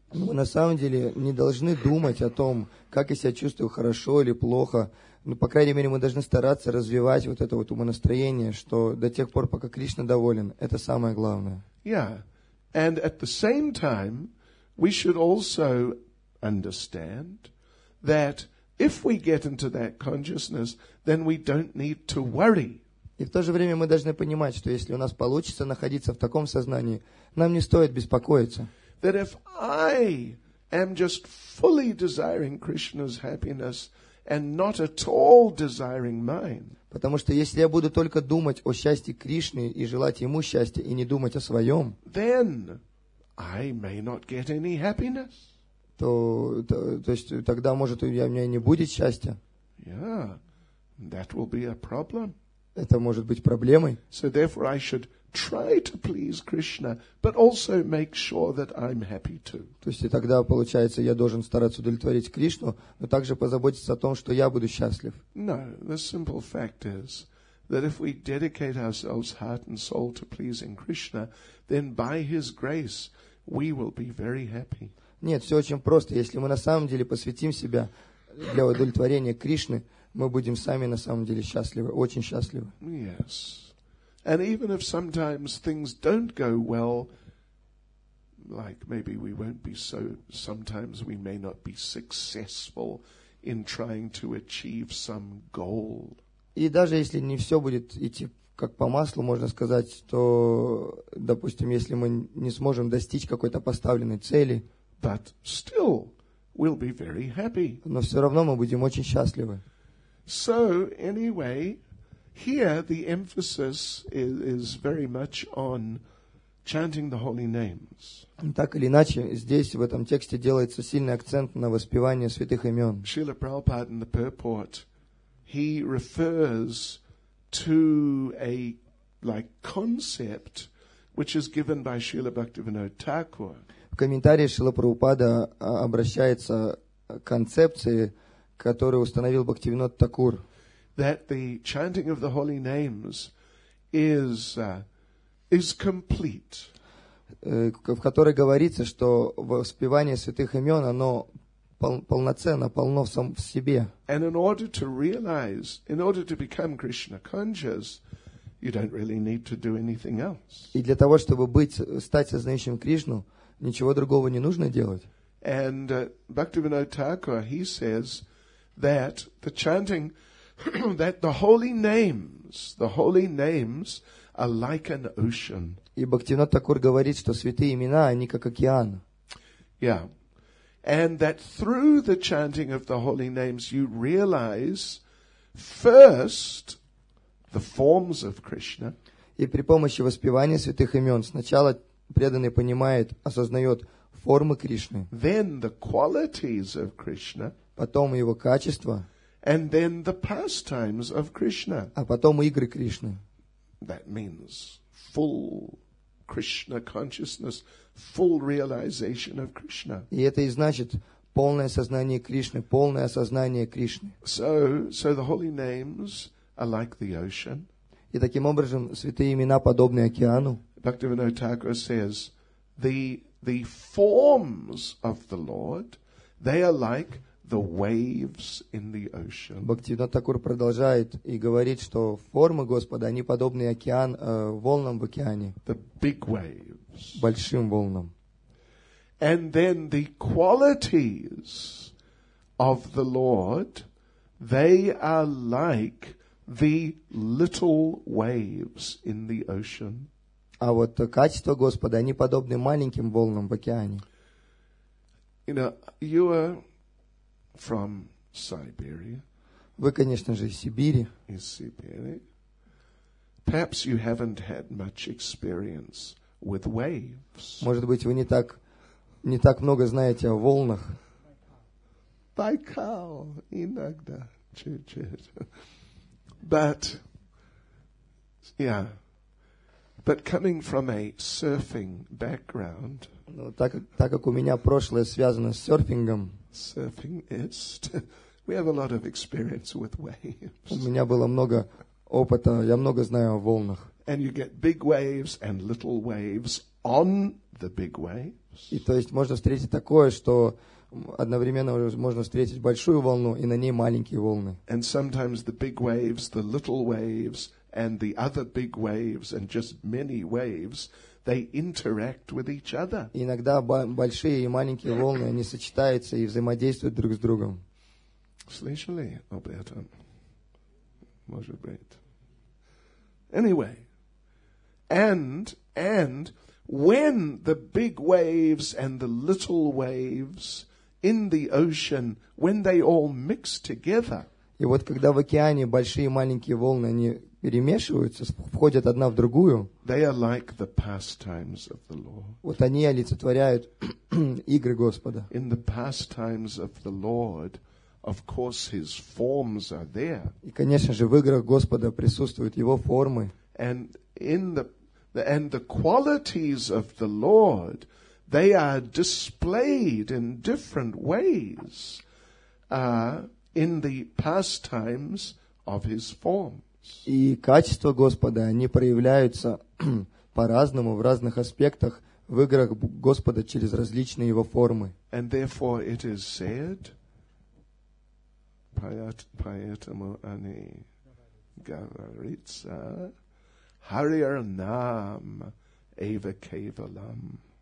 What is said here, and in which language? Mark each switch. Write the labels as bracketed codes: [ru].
[ru] Мы на самом деле не должны думать о том, как я себя чувствую, хорошо или плохо. Но, по крайней мере, мы должны стараться развивать вот это вот умонастроение, что до тех пор, пока Кришна доволен, это самое главное. [en] Yeah. And at the same time, we should also understand that if we get into that consciousness, then we don't need to worry. [ru] И в то же время мы должны понимать, что если у нас получится находиться в таком сознании, нам не стоит беспокоиться. [en] That if I am just fully desiring Krishna's happiness and not at all desiring mine. [ru] Потому что если я буду только думать о счастье Кришны и желать ему счастья и не думать о своем, [en] then I may not get any happiness. [ru] То есть тогда, может, у меня не будет счастья. [en] Yeah, that will be a problem. [ru] Это может быть проблемой. [en] So therefore I should try to please Krishna, but also make sure that I'm happy too. [ru] То есть и тогда, получается, я должен стараться удовлетворить Кришну, но также позаботиться о том, что я буду счастлив. [en] No, the simple fact is that if we dedicate ourselves heart and soul to pleasing Krishna, then by His grace we will be very happy. [ru] Нет, все очень просто. Если мы на самом деле посвятим себя для удовлетворения Кришны, мы будем сами на самом деле счастливы, очень счастливы. [en] Yes. And even if sometimes things don't go well, like maybe we won't be so, sometimes we may not be successful in trying to achieve some goal. [ru] И даже если не все будет идти как по маслу, можно сказать, то, допустим, если мы не сможем достичь какой-то поставленной цели, [en] but still we'll be very happy. [ru] Но все равно мы будем очень счастливы. [en] So, anyway, here the emphasis is very much on chanting the holy names. [ru] Так или иначе, здесь, в этом тексте, делается сильный акцент на воспевании святых имен. [en] Srila Prabhupada in the purport, he refers to a like concept which is given by Srila Bhaktivinoda Thakur. [ru] В комментарии Шрила Прабхупада обращается к концепции, которую установил Бхактивинод Такур. [en] That the chanting of the holy names is complete. [ru] В которой говорится, что воспевание святых имен, оно полноценно, полно в себе. [en] And in order to realize, in order to become Krishna conscious, you don't really need to do anything else. [ru] И для того, чтобы стать сознающим Кришну, ничего другого не нужно делать. [en] And Bhaktivinoda Thakur, he says that the chanting, that the holy names are like an ocean. [ru] И Бхактивинода Такур говорит, что святые имена, они как океан. [en] Yeah. And that through the chanting of the holy names, you realize first the forms of Krishna. [ru] И при помощи воспевания святых имен сначала преданный понимает, осознает формы Кришны. [en] Then the qualities of Krishna. [ru] Потом его качества. [en] And then the pastimes of Krishna. [ru] А потом игры Кришны. [en] That means full Krishna consciousness, full realization of Krishna. [ru] И это и значит полное сознание Кришны, полное осознание Кришны. [en] So the holy names are like the ocean. [ru] И таким образом святые имена подобны океану. [en] Bhaktivinoda Thakur says the forms of the Lord, they are like the waves in the ocean. [ru] Бхактивинода Такур продолжает и говорит, что формы Господа, они подобны океан, волнам в океане. [en] The big waves. [ru] Большим волнам. [en] And then the qualities of the Lord, they are like the little waves in the ocean. [ru] А вот качества Господа, они подобны маленьким волнам в океане. [en] You know, you are from Siberia. [ru] Вы, конечно же, из Сибири. Из Сибири. [en] Perhaps you haven't had much experience with waves. [ru] Может быть, вы не так много знаете о волнах. Байкал иногда чуть-чуть. [en] But, yeah. But coming from a surfing background. [ru] Ну, так как у меня прошлое связано с серфингом. [en] Surfingist. We have a lot of experience with waves. [ru] У меня было много опыта, я много знаю о волнах. [en] And you get big waves and little waves on the big waves. [ru] И то есть можно встретить такое, что одновременно можно встретить большую волну и на ней маленькие волны. [en] And sometimes the big waves, the little waves and the other big waves and just many waves, they interact with each other. [ru] Иногда большие и маленькие волны, они сочетаются и взаимодействуют друг с другом. Слышали об этом? Может быть. [en] Anyway, and when the big waves and the little waves in the ocean, when they all mix together. [ru] И вот когда в океане большие и маленькие волны, они перемешиваются, входят одна в другую. [en] They are like the pastimes of the Lord. [ru] Вот они олицетворяют игры Господа. [en] In the pastimes of the Lord, of course, His forms are there. [ru] И, конечно же, в играх Господа присутствуют Его формы. [en] And in the qualities of the Lord, they are displayed in different ways in the pastimes of His form. [ru] И качества Господа, они проявляются по-разному, в разных аспектах, в играх Господа через различные Его формы. [en] And therefore it is said, [ru] поэтому они говорится, [sa] Хариар нам эва кевалам.